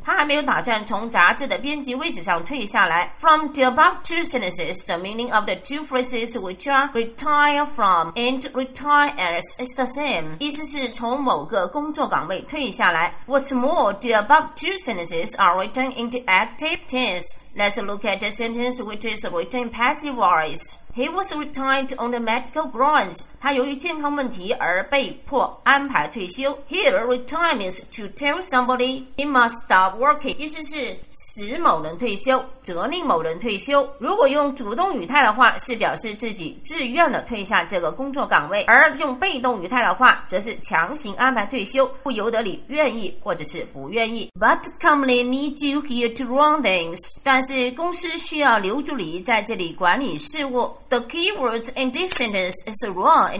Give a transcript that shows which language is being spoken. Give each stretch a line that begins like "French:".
Chinese: 他还没有打算从杂志的编辑位置上退下来。
English: From the above two sentences, the meaning of the two phrases which are retire from and retire as is the same.
Chinese: 意思是从某个工作岗位退下来。
English: What's more, the above two sentences are written in the active tense. Let's look at the sentence which is written in passive voice. He was retired on the medical grounds.
Chinese: 他由于健康问题而被迫安排退休。
English: Here, retire means to tell somebody he must stop working.
Chinese: 意思是使某人退休，责令某人退休。如果用主动语态的话，是表示自己自愿的退下这个工作岗位；而用被动语态的话，则是强行安排退休，不由得你愿意或者是不愿意。
English: But company needs you here to run things.
Chinese: 但是公司需要留住你在这里管理事务。
English: The key word in this sentence is run.